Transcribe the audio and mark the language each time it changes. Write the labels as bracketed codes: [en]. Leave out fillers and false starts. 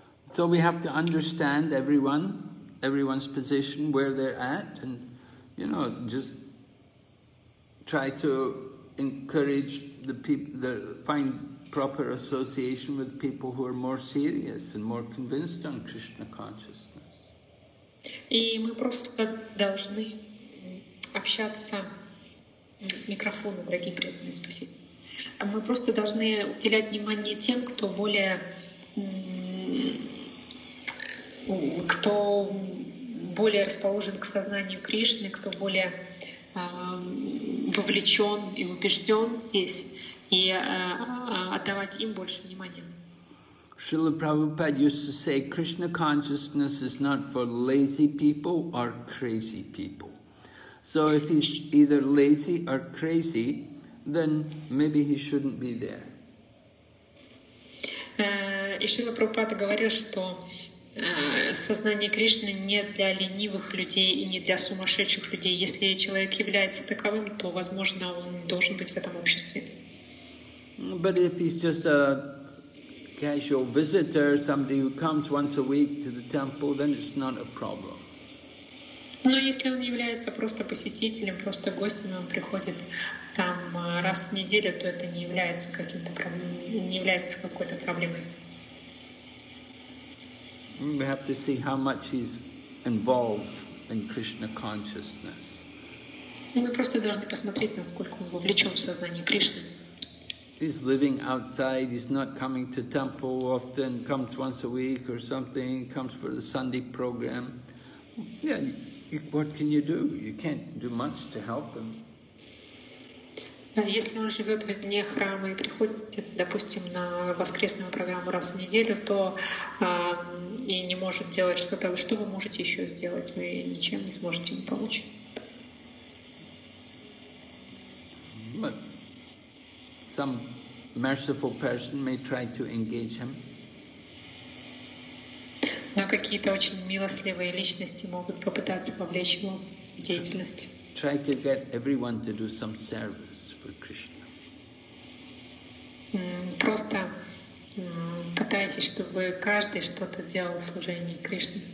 [en] So we have to understand everyone's position, where they're at, and you know, just try to encourage the people, the find proper association with people who are more serious and more convinced on Krishna consciousness. [ru] И мы просто должны общаться. Микрофон, дорогие преданные, спасибо. Мы просто должны уделять внимание тем, кто более, расположен к сознанию Кришны, кто более вовлечен и убежден здесь. и отдавать им больше внимания. [en] Шрила Прабхупада used to say, Krishna consciousness is not for lazy people or crazy people. So if he's either lazy or crazy, then maybe he shouldn't be there. [ru] И Шрила Прабхупада говорил, что сознание Кришны не для ленивых людей и не для сумасшедших людей. Если человек является таковым, то, возможно, он должен быть в этом обществе. [en] But if he's just a casual visitor, somebody who comes once a week to the temple, then it's not a problem. [ru] Но если он является просто посетителем, просто гостем, он приходит там раз в неделю, то это не является каким-то не является какой-то проблемой. [en] We have to see how much he's involved in Krishna consciousness. [ru] Мы просто должны посмотреть, насколько он вовлечен в сознание Кришны. [en] He's living outside, he's not coming to temple often, comes once a week or something, comes for the Sunday program. Yeah, what can you do? You can't do much to help him. [ru] Если он живет вне храма и приходит, допустим, на воскресную программу раз в неделю, то и не может делать что-то. Что вы можете еще сделать? Вы ничем не сможете ему помочь. [en] But some merciful person may try to engage him. [ru] Но какие-то очень милостливые личности могут попытаться вовлечь его в деятельность. [en] Try to get everyone to do some service for Krishna. [ru] Просто пытайтесь, чтобы каждый что-то делал в служении Кришне.